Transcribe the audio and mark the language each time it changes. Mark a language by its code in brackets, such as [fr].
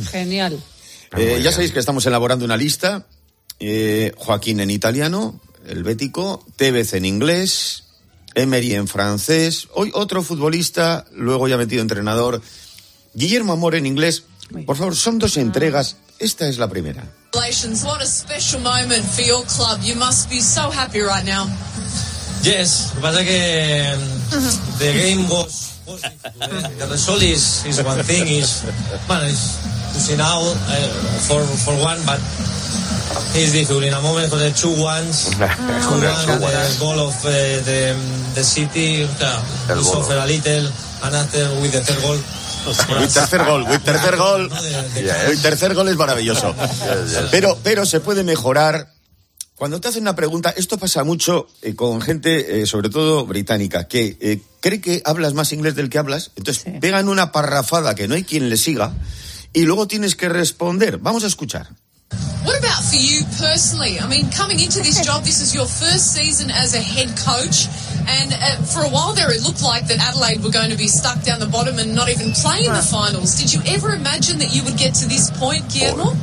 [es] Genial. Ya sabéis que estamos elaborando una lista, Joaquín en italiano, helvético, Tevez en inglés, Emery en francés, hoy otro futbolista, luego ya metido entrenador, Guillermo Amor en inglés. Por favor, son dos entregas. Esta es la primera. [en] Congratulations, what a special moment for your club. You must be so happy right now. Yes, [es] lo que pasa es que [en] the game was positive. The result is one thing, is well, it's to see now for one, but it's difficult in a moment for the two ones. The goal of the city, we suffer a little, and after with the third goal. [es] El tercer gol es maravilloso. Pero se puede mejorar. Cuando te hacen una pregunta, esto pasa mucho con gente, sobre todo británica, que cree que hablas más inglés del que hablas. Entonces, sí, pegan una parrafada que no hay quien le siga y luego tienes que responder. Vamos a escuchar. [en] What about for you personally? I mean, coming into this job, this is your first season as a head coach, and for a while there it looked like that Adelaide were going to be stuck down the bottom and not even play in the finals. Did you ever imagine that you would get to this point, Guillermo?